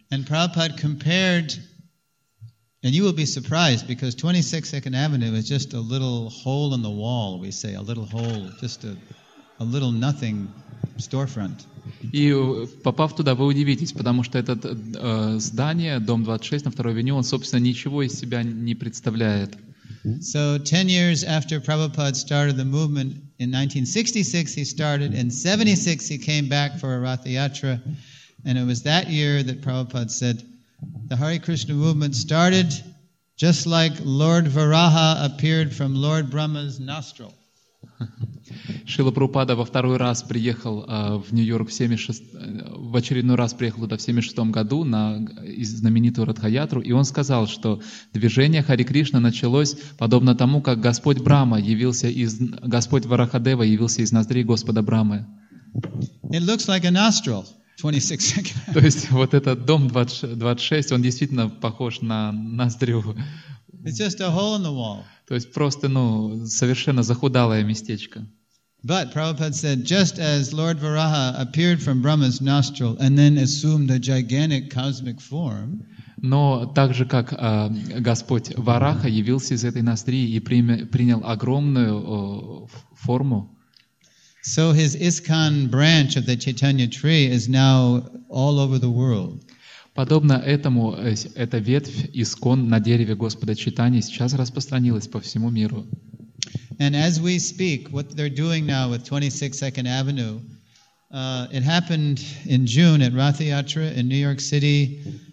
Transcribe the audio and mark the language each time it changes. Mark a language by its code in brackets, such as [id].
[en] And Prabhupada compared, and you will be surprised because 26 Second Avenue is just a little hole in the wall, we say, a little hole, just a little nothing storefront. [ru] И попав туда, вы удивитесь, потому что это здание, дом 26 на Второй Авеню, он собственно ничего из себя не представляет. [en] So 10 years after Prabhupada started the movement in 1966, he started. In 76, he came back for a Ratha Yatra. And it was that year that Prabhupada said, the Hare Krishna movement started just like Lord Varaha appeared from Lord Brahma's nostril. [ru] Шрила Прабхупада во второй раз приехал в Нью-Йорк в очередной раз приехал туда в 76 году на знаменитую Радха-ятру, и он сказал, что движение Хари Кришна началось подобно тому, как Господь Брама явился из Господь Варахадева явился из ноздри Господа Брамы. [en] It looks like a nostril. 26 seconds. [ru] То есть вот этот дом 26, он действительно похож на ноздрю. [en] It's just a hole in the wall. [ru] То есть просто, ну, совершенно захудалое местечко. [en] But Prabhupada said, just as Lord Varaha appeared from Brahma's nostril and then assumed a gigantic cosmic form. [ru] Но так же, как Господь Вараха явился из этой ноздри и принял огромную форму. [en] So his ISKCON branch of the Chaitanya tree is now all over the world. [ru] Подобно этому, эта ветвь ИСККОН на дереве Господа Чайтаньи сейчас распространилась по всему миру. [en] And as we speak, what they're doing now with 26 Second Avenue, it happened in June at Ratha Yatra in New York City.